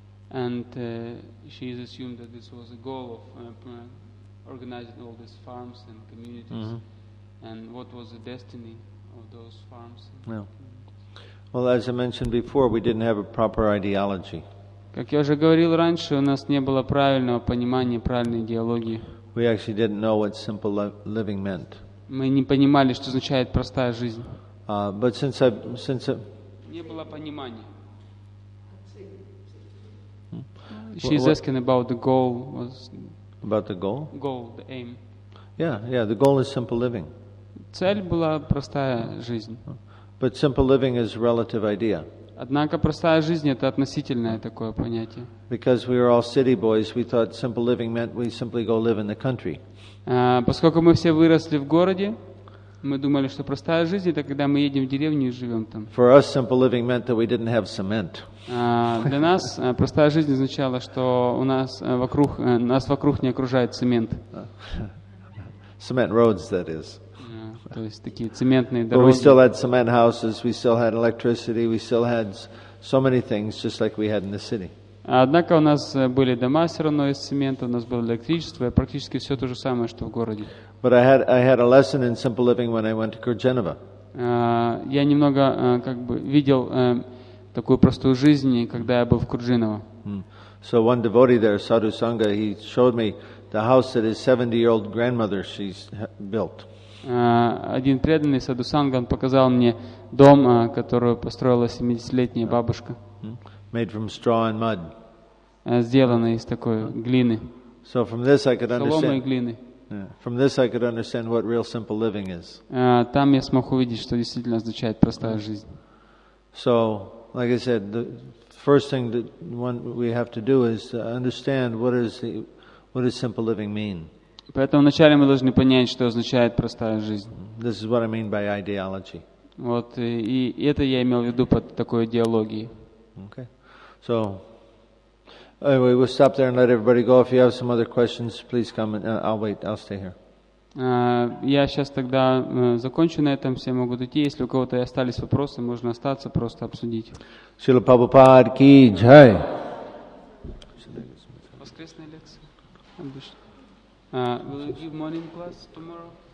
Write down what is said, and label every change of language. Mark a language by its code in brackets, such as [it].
[en] And she assumed that this was a goal of organizing all these farms and communities. Mm-hmm. And what was the destiny of those farms? Yeah. Well, as I mentioned before, we didn't have a proper ideology. [ru] Как я уже говорил раньше, у нас не было правильного понимания, правильной идеологии. [en] We actually didn't know what simple living meant. [ru] Мы не понимали, что означает простая жизнь. [en] But since [ru] не было понимания. [en] She's asking about the goal. About the goal? Goal, the aim. Yeah. The goal is simple living. [ru] Цель была простая жизнь. [en] But simple living is a relative idea. [ru] Однако простая жизнь — это относительное такое понятие. [en] Because we were all city boys, we thought simple living meant we simply go live in the country. [ru] Поскольку мы все выросли в городе, мы думали, что простая жизнь — это когда мы едем в деревню и живем там. [en] For us, simple living meant that we didn't have cement. [ru] Для нас простая жизнь означала, что у нас вокруг не окружает цемент. [en] Cement roads, that is. [ru] То есть такие цементные [en] But [ru] дороги. [en] We still had cement houses, we still had electricity, we still had so many things, just like we had in the city. [ru] Однако у нас были дома все равно из цемента, у нас было электричество, и практически все то же самое, что в городе. [en] But I had a lesson in simple living when I went to Kurjanova. [ru] Я немного как бы видел такую простую жизнь, когда я был в Курджинова. [en] So one devotee there, Sadhu Sangha, he showed me the house that his 70-year-old grandmother she's built. [ru] Один преданный Саду Санган показал мне дом, который построила 70-летняя бабушка. [en] Made from straw and mud. [ru] Сделанный из такой глины. [en] So from this I could understand. [ru] Соломой глины. [en] From this I could understand what real simple living is. [ru] Там я смог увидеть, что действительно означает простая жизнь. [en] So Like I said, the first thing that one we have to do is to understand what does simple living mean. [ru] Поэтому вначале мы должны понять, что означает простая жизнь. [en] This is what I mean by ideology. [ru] Вот и это я имел в виду под такой идеологией. [en] Okay. So anyway, we'll stop there and let everybody go. If you have some other questions, please come and I'll wait. I'll stay here. [ru] Я сейчас тогда закончу на этом, все могут уйти. Если у кого-то остались вопросы, можно остаться, просто обсудить. Шрила Прабхупад ки джай. Воскресная лекция. [en] Will you give morning class tomorrow?